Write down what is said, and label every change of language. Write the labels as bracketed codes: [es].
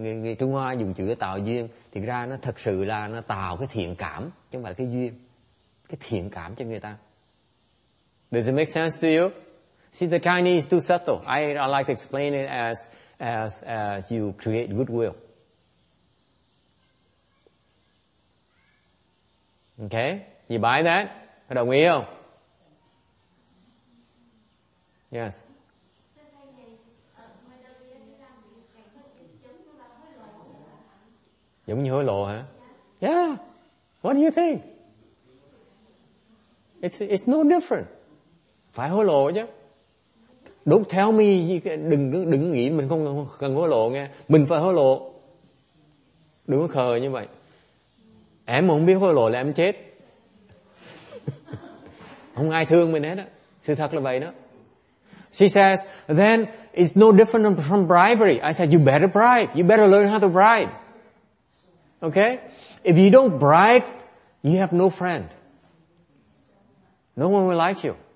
[vi] Người Trung Hoa dùng chữ tạo duyên thì ra nó thật sự là nó tạo cái thiện cảm, chứ không phải cái duyên, cái thiện cảm cho người ta. [en] Does it make sense to you? See, the Chinese too subtle. I like to explain it as you create goodwill. Okay? You buy that? [vi] Đồng ý không? [en] Yes. [vi] Giống như hối lộ hả? [en] Yeah. What do you think? It's no different. [vi] Phải hối lộ chứ. [en] Don't tell me, [vi] đừng nghĩ mình không cần hối lộ nghe. Mình phải hối lộ. Đừng có khờ như vậy. Em mà không biết hối lộ là em chết. Không ai thương mình hết á. Sự thật là vậy đó. [en] She says, then it's no different from bribery. I said, you better bribe. You better learn how to bribe. Okay? If you don't bribe, you have no friend. No one will like you.